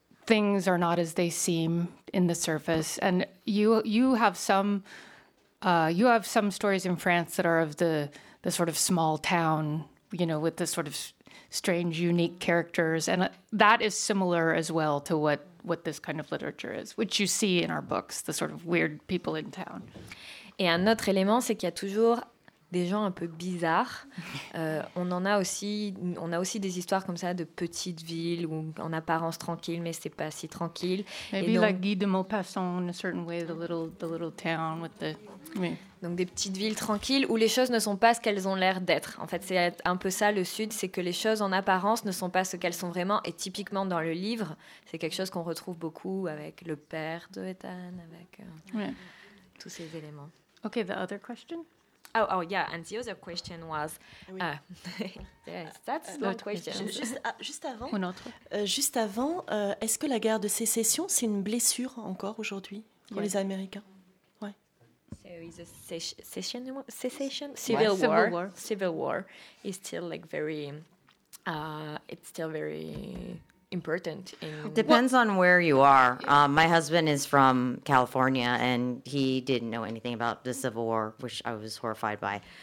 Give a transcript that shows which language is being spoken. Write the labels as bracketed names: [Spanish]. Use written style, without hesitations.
[English] things are not as they seem in the surface. And you have some stories in France that are of the sort of small town, you know, with the sort of strange, unique characters. And that is similar as well to what this kind of literature is, which you see in our books, the sort of weird people in town. [French] Et un autre élément, c'est qu'il y a toujours des gens un peu bizarres. On a aussi des histoires comme ça de petites villes ou en apparence tranquille, mais c'est pas si tranquille. [English] Maybe donc, like Guy de Maupassant in a certain way, the little town with the. [French] Oui. Donc des petites villes tranquilles où les choses ne sont pas ce qu'elles ont l'air d'être. En fait, c'est un peu ça le sud, c'est que les choses en apparence ne sont pas ce qu'elles sont vraiment. Et typiquement dans le livre, c'est quelque chose qu'on retrouve beaucoup avec le père de Ethan, avec tous ces éléments. [English] Ok, the other question. Oh, yeah, and the other question was... yes, that's the question. [French] Juste avant, une autre. Juste avant, est-ce que la guerre de sécession, c'est une blessure encore aujourd'hui pour les Américains? Ouais. [English] So is a secession? Civil war. Civil war is still like very... it's still very important. Depends on where you are. My husband is from California, and he didn't know anything about the Civil War, which I was horrified by.